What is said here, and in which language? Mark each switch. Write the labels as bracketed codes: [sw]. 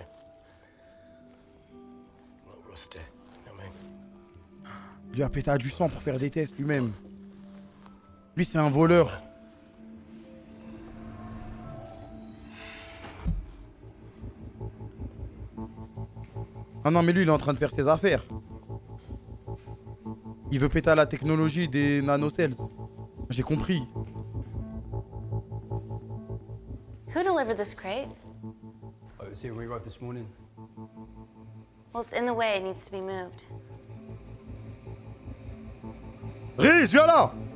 [en] A little rusty, you know what I mean? [fr] Lui a pété du sang pour faire des tests lui-même. Lui, c'est un voleur. Ah non, mais lui, il est en train de faire ses affaires. Il veut péter la technologie des nanocells. J'ai compris. [en] Who delivered this crate? Oh, it was here when we arrived this morning. Well, it's in the way. It needs to be moved. [fr] Riz, viens là!